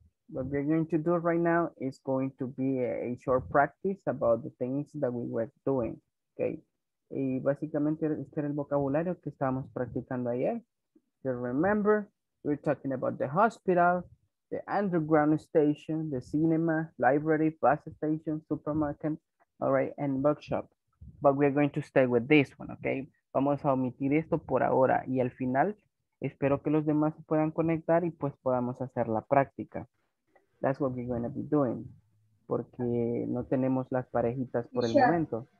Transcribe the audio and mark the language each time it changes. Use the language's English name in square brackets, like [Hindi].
[English] What we're going to do right now is going to be a short practice about the things that we were doing, okay? [Spanish] Y básicamente este era el vocabulario que estábamos practicando ayer. [English] You remember, we're talking about the hospital, the underground station, the cinema, library, bus station, supermarket, all right, and bookshop. But we're going to stay with this one, okay? [Spanish] Vamos a omitir esto por ahora. Y al final, espero que los demás se puedan conectar y pues podamos hacer la práctica. That's what we're going to be doing. Porque no tenemos las parejitas por el momento.